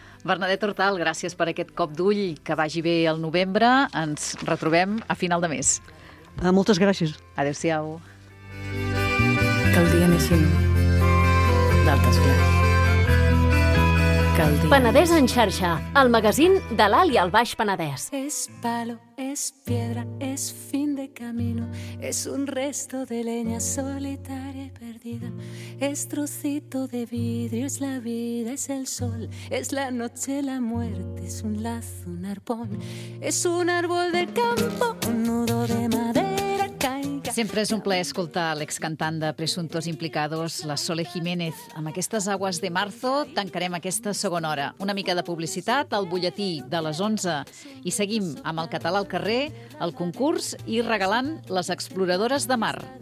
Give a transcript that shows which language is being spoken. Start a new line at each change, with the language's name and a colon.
Catalan: Bernadet Hortal, gràcies per aquest cop d'ull, que vagi bé el novembre. Ens retrobem a final de mes. Moltes gràcies. Adéu-siau. Que el dia neixi d'altres clars. Penedès en xarxa, el magazín de l'Alt i el Baix Penedès.
Spanish: Es palo, es piedra, es fin de camino, es un resto de leña solitaria y perdida, es trocito de vidrio, es la vida, es el sol, es la noche, la muerte, es un lazo, un arpón, es un árbol del campo, un nudo de madera caiga.
Catalan: Sempre és un plaer escoltar l'excantant de Presuntos Implicados, la Sole Jiménez. Amb aquestes aguas de marzo tancarem aquesta segona hora. Una mica de publicitat, el butlletí de les 11 i seguim amb el català al carrer, el concurs i regalant les exploradores de mar.